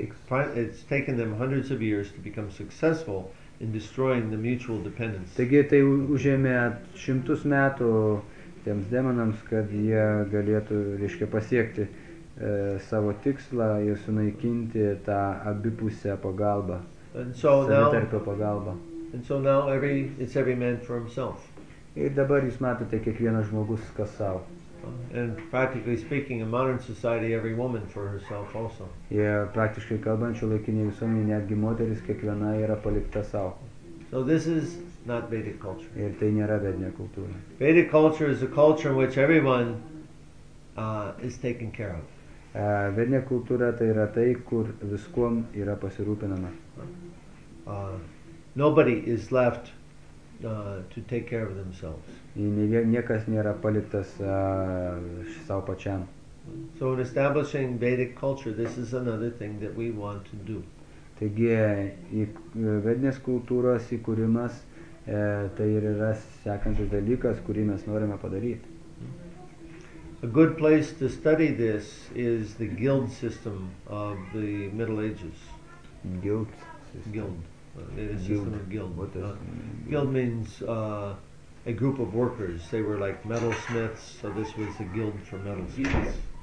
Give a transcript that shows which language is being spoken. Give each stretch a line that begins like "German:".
English: It's taken them hundreds of years to become successful in destroying the mutual dependence.
Lithuanian: Taigi tai užėmė šimtus metų tiems demonams, kad jie galėtų, reiškia, pasiekti savo tikslą ir sunaikinti tą abipusę pagalbą, savitarpio pagalbą.
English: And so now it's every man for himself.
Lithuanian: Ir dabar jūs matote kiekvienas žmogus kas sau.
English: And practically speaking, in modern society, every woman for herself also.
Lithuanian: Yeah, praktiškai kalbant, šiuolaikinėje visuomenėje netgi moteris kiekviena yra palikta sau.
English: So this is not Vedic culture.
Lithuanian: Ir tai nėra vedinė kultūra.
English: Vedic culture is a culture in which everyone is taken care of.
Lithuanian: Vedinė kultūra tai yra tai, kur viskuom yra pasirūpinama.
English: Nobody is left to take care of themselves.
Lithuanian: Niekas nėra paliktas savo pačiam.
English: So in establishing Vedic culture, this is another thing that we want to do.
Lithuanian: Taigi, vedinės kultūros įkūrimas tai ir yra sekantis dalykas, kurį mes norime padaryti.
English: A good place to study this is the guild system of the Middle Ages. Guild. Guild. A system of guild. Guild means a group of workers. They were like metalsmiths, so this was a guild for metalsmiths.